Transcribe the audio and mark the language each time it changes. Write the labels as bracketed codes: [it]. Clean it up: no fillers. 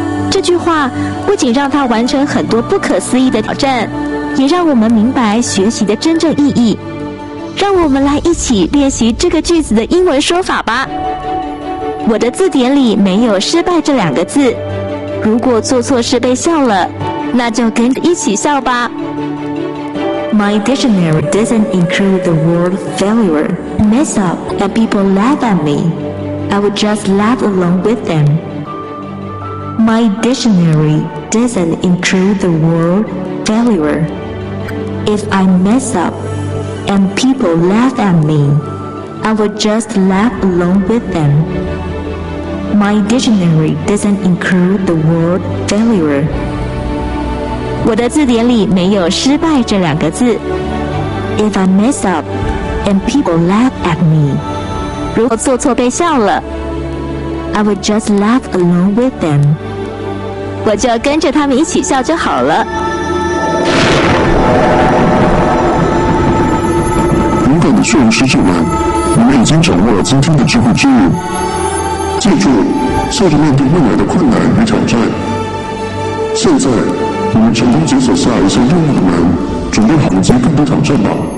[zh] 这句话不仅让他完成很多不可思议的挑战，也让我们明白学习的真正意义。让我们来一起练习这个句子的英文说法吧。我的字典里没有失败这两个字，如果做错事被笑了，那就跟着一起笑吧。 [en] My dictionary doesn't include the word failure, mess up, and people laugh at me. I would just laugh along with themMy dictionary doesn't include the word failure. If I mess up and people laugh at me, I would just laugh along with them. My dictionary doesn't include the word failure. [zh] 我的字典里没有失败这两个字。 [en] If I mess up and people laugh at me, [zh] 如果做错被笑了 [en] I would just laugh along with them. [zh] 我就跟着他们一起笑就好了。勇敢的驯龙使者们，你们已经掌握了今天的智慧之物。记住，笑着面对未来的困难与挑战。现在，你们成功解锁下一项任务的门，准备好迎接更多挑战吧。